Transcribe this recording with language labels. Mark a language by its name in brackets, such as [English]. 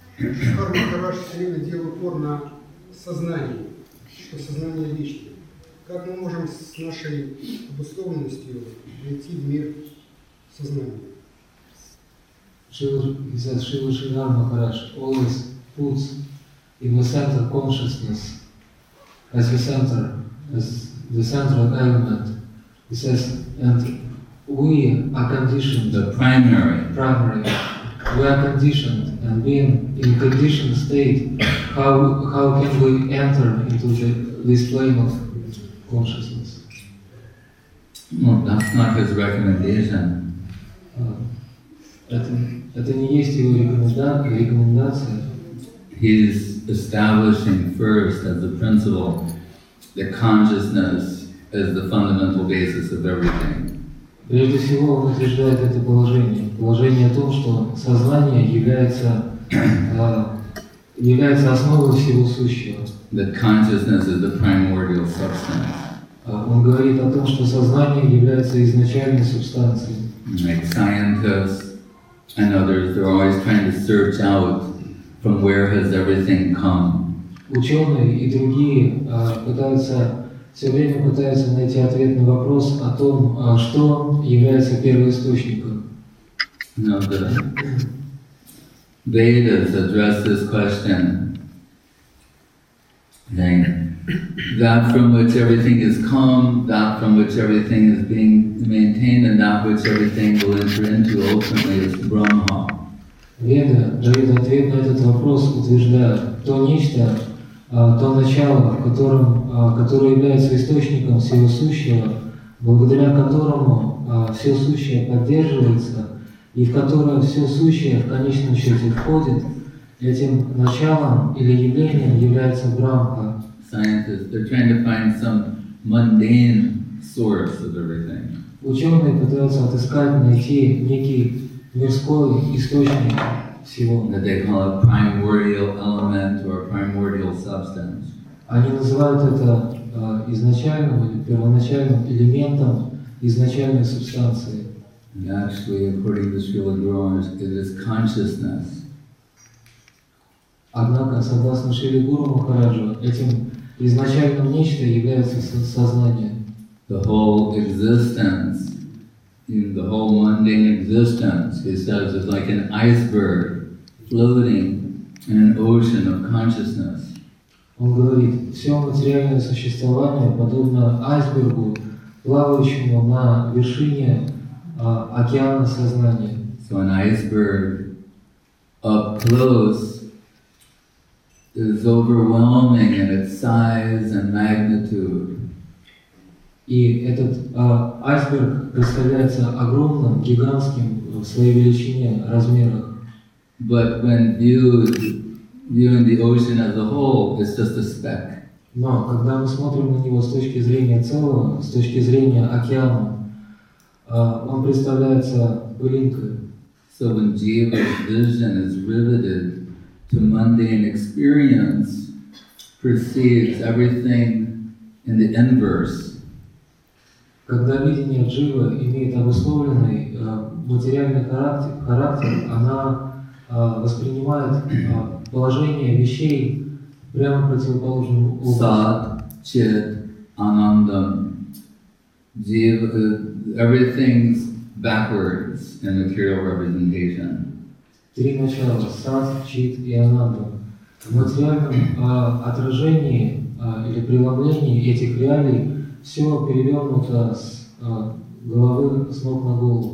[Russian] Карма Махарадж все время делал упор на сознание, что сознание вечно. Как мы можем с нашей обусловленностью войти в мир сознания? [English] Шрила Шринар Махарадж, always puts in the center consciousness as the center, as the central element. He says, and we are conditioned. The primary. Primary. We are conditioned, and being in conditioned state, how can we enter into this plane of consciousness? Well, that's not his recommendation. [Russian] Это не есть его рекомендация. [English] He's establishing first as a principle that consciousness is the fundamental basis of everything. [Russian] Прежде всего, он утверждает это положение. Положение о том, что сознание является, является основой всего сущего. [English] That consciousness is the primordial substance. [Russian] Он говорит о том, что сознание является изначальной субстанцией. [English] Like scientists and others, they're always trying to search out from where has everything come. [Russian] Ученые и другие пытаются все время пытаются найти ответ на вопрос о том, что является первоисточником. [English] Now the Vedas address this question, saying, that from which everything is come, that from which everything is being maintained, and that which everything will enter into ultimately is Brahma. [Russian] Веды дают ответ на этот вопрос, утверждая, то нечто, то начало, в котором, которое является источником всего сущего, благодаря которому все сущее поддерживается, и в которое все сущее в конечном счете входит, этим началом или явлением является Брахма. [English] Scientists, they're trying to find some mundane source of everything. [Russian] Ученые пытаются отыскать, найти некий мирской источник. [English] That they call a primordial element or a primordial substance. [Russian] Они называют это изначальным или первоначальным элементом изначальной субстанции. [English] And actually, according to Srila Gurumaharaj, it is consciousness. [Russian] Однако, согласно Шриле Гуру Махараджу, этим изначальным нечто является сознание. [English] The whole existence, in the whole mundane existence, he says, is like an iceberg floating in an ocean of consciousness. [Russian] Он говорит, все материальное существование подобно айсбергу, плавающему на вершине океана сознания. [English] So an iceberg up close is overwhelming in its size and magnitude. [Russian] И этот айсберг представляется огромным, гигантским в своей величине, размерах. [English] But when viewing the ocean as a whole, it's just a speck. [Russian] Но когда мы смотрим на него с точки зрения целого, с точки зрения океана, он представляется пылинкой. [English] So when Jiva's vision is riveted to mundane experience, perceives everything in the inverse. [Russian] Когда видение Джива имеет обусловленный материальный характер, она воспринимает положение вещей прямо противоположным образом. Сад, чит, анандам. [English] Everything's backwards in material representation. [Russian] Три начала. Сад, чит и анандам. В материальном отражении или преломлении этих реалий все перевернуто с головы, с ног на голову.